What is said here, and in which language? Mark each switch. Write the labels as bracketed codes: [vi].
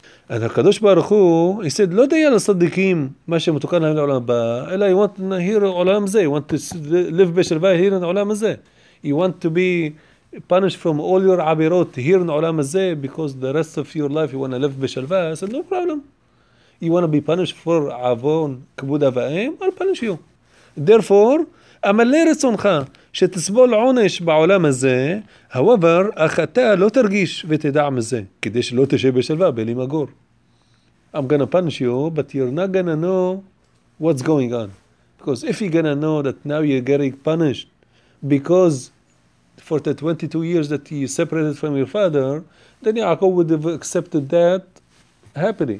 [en] And the Kadosh Baruch Hu, he said, [he] "Lo daya l'sadikim, ma shemutukan lahim l'olam ba, [en] ela you want to hear olam zeh, you want to live B'Shalva here in olam zeh. You want to be punished from all your Abirot here in olam zeh, because the rest of your life you want to live B'Shalva." I said, "No problem. You want to be punished for Avon, Kibud Avaim, I'll punish you. [he] Therefore, אמלא רצונך שתסבול עונש בעולם הזה, [en] however, [he] אך אתה לא תרגיש ותדע מזה, כדי שלא תשב בשלווה, בלי מגור. [en] I'm going to punish you, but you're not going to know what's going on. Because if you're going to know that now you're getting punished because for the 22 years that you separated from your father, then Yaakov would have accepted that happening.